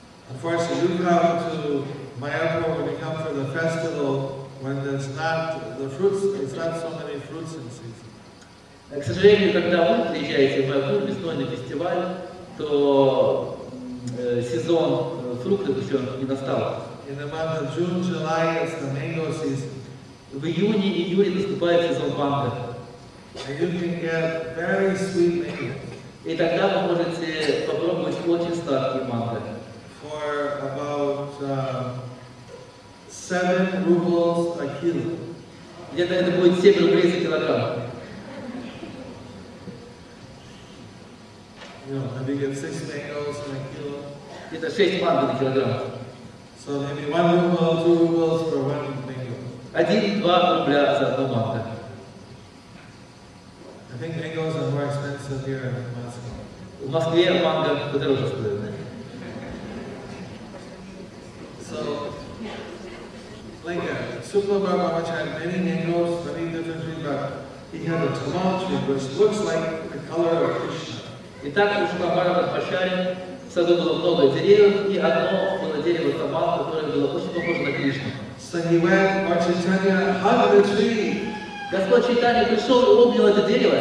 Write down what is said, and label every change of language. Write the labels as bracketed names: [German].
[English] Of course, you come to Mayapur when you come for the festival, when there's not the fruits, it's not so many fruits in season. [Russian] К сожалению, когда вы приезжаете в Mayapur, весной на фестиваль, то сезон фруктов еще не настал. [English] In the month of June, July, it's the mango season. [Russian] В июне и июле наступает сезон манго. И тогда вы можете попробовать очень сладкий манго. [English] For about 7 rubles a kilo. [Russian] Где-то это будет 7 рублей за килограмм. [English] You know, maybe get 6 mangoes in a kilo. [Russian] Где-то 6 манго на килограмм. [English] So maybe 1 ruble, 2 rubles for 1 mango. [Russian] 1-2 рубля за одну манго. [English] I think mangoes are more expensive here in Moscow. [Russian] В Москве манго подороже стоит. [English] So, like a super barbamachan, many mangoes, many different trees, but he had a tamal tree which looks like the color of Krishna. [Russian] Итак, у Шукабарабхачари в саду было много деревьев, и одно было дерево тамал, которое было очень похоже на Кришну. [English] So he went, Lord Chaitanya, hugged the tree. [Russian] Господь Чайтанья пришел и обнял это дерево.